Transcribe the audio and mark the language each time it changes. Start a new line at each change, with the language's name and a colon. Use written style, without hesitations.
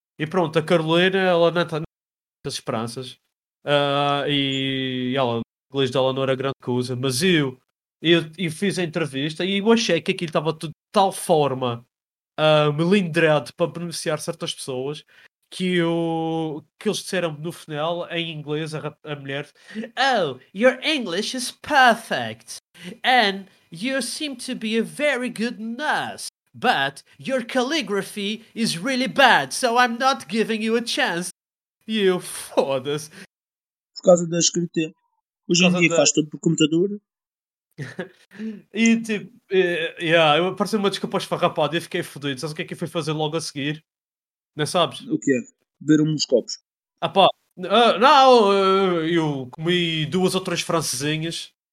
Portuguese: E pronto, a Carolina, ela não tem esperanças. E ela, o inglês dela não era grande coisa, mas eu fiz a entrevista e eu achei que aquilo estava de tal forma melindrado para beneficiar certas pessoas que eles disseram-me no final, em inglês, a mulher:
English: Oh, your English is perfect. And you seem to be a very good nurse. But your calligraphy is really bad, so I'm not giving you a chance. You
Portuguese: foda-se. Por causa da escrita. Hoje em dia faz tudo por computador. E tipo, apareceu uma desculpa esfarrapada e eu fiquei fodido. Sabes o que é que eu fui fazer logo a seguir? Não sabes? O quê? Beber uns copos. Ah pá, não, eu comi duas ou três francesinhas.